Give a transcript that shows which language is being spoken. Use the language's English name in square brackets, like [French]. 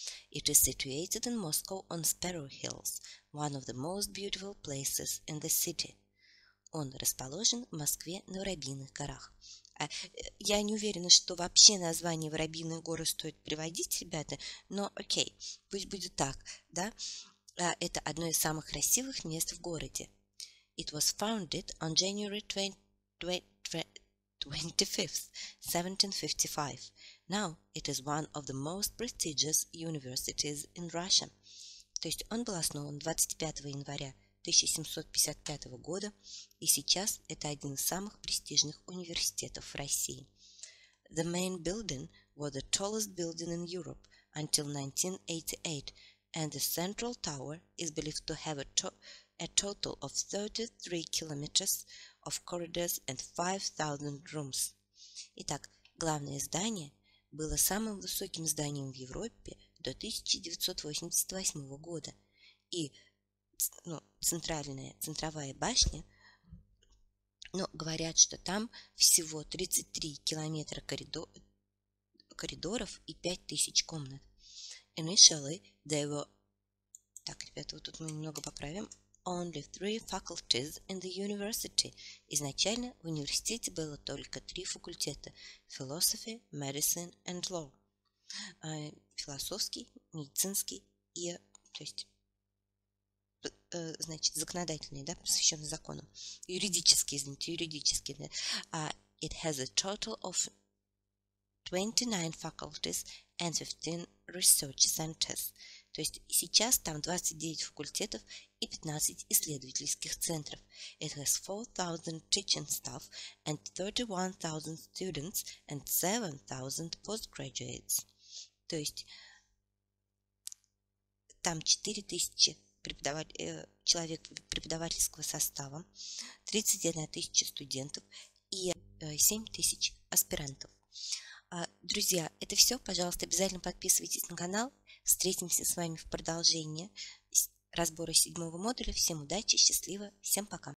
[English] It is situated in Moscow on Sparrow Hills, one of the most beautiful places in the city. [Russian] Он расположен в Москве на Воробьиных горах. Я не уверена, что вообще название Воробьиные горы стоит приводить, ребята, но окей, пусть будет так, да? Это одно из самых красивых мест в городе. [English] It was founded on January 25th, 1755. Now it is one of the most prestigious universities in Russia. [Russian] То есть он был основан 25 января 1755 года, и сейчас это один из самых престижных университетов в России. [English] The main building was the tallest building in Europe until 1988, and the central tower is believed to have a total of 33 kilometers of corridors and 5,000 rooms. [Russian] Итак, главное здание было самым высоким зданием в Европе до 1988 года. И центровая башня, говорят, что там всего 33 километра коридоров и 5000 комнат. [English] Initially, there were... [Russian] Так, ребята, вот тут мы немного поправим. [English] Only three faculties in the university. [Russian] Изначально в университете было только три факультета. [English] Philosophy, medicine and law. [Russian] Философский, медицинский и... То есть, законодательный, да, посвященный закону. Юридический, да. [English] It has a total of 29 faculties and 15 research centers. [Russian] То есть сейчас там 29 факультетов и 15 исследовательских центров. [English] It has 4,000 teaching staff and 31,000 students and 7,000 postgraduates. [Russian] То есть там 4000 человек преподавательского состава, 31 тысяча студентов и 7000 аспирантов. Друзья, это все. Пожалуйста, обязательно подписывайтесь на канал. Встретимся с вами в продолжении разбора седьмого модуля. Всем удачи, счастливо, всем пока.